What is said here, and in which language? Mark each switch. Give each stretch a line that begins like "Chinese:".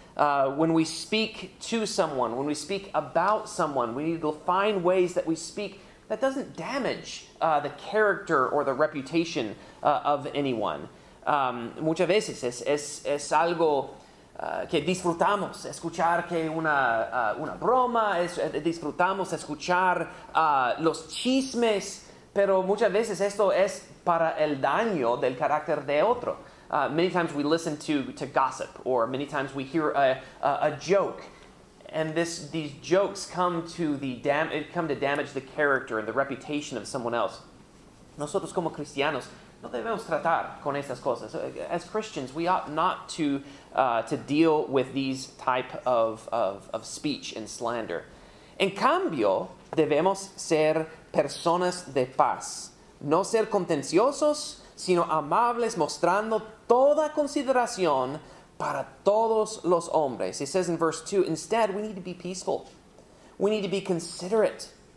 English: When we speak to someone, when we speak about someone, we need to find ways that we speak that doesn't damage the character or the reputation of anyone.
Spanish: Muchas veces es algo que disfrutamos, escuchar que una broma, disfrutamos escuchar los chismes, pero muchas veces esto es para el daño del carácter de otro.
English: Many times we listen to gossip, or many times we hear a joke, and these jokes come to damage the character and the reputation of someone else.
Spanish: Nosotros como cristianos no debemos tratar con estas cosas.
English: As Christians, we ought not to deal with these type of speech and slander.
Spanish: En cambio, debemos ser personas de paz, no ser contenciosos, sino amables, mostrando toda consideración para todos los hombres.
English: He says in verse 2, instead, we need to be peaceful. We need to be considerate.